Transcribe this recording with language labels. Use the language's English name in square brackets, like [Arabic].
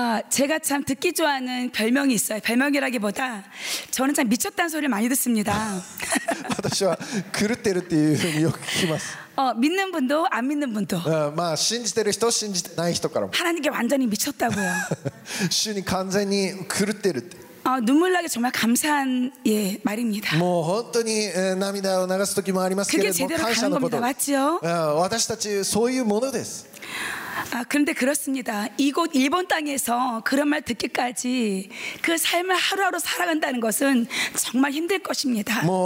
[Korean] 제가 참 듣기 좋아하는 별명이 있어요. 별명이라기보다 저는 참 미쳤다는 소리를 많이 듣습니다. [Japanese] 私は狂ってるっていうふうによく聞きます. [Korean] 믿는 분도 안 믿는 분도 [Japanese] 信じてる人信じてない人からも [Korean] 하나님께 완전히 미쳤다고요. 주님 완전히 [Japanese] 狂ってる. [Korean] 눈물나게 정말 감사한 예 말입니다. [Japanese] 本当に涙を流す時もありますけれども [Korean] 그게 제대로 가는 겁니다. 맞죠? [Japanese] 私たちそういうものです. [Korean] 그런데 그렇습니다. 이곳 일본 땅에서 그런 말 듣기까지 그 삶을 하루하루 살아간다는 것은 정말 힘들 것입니다.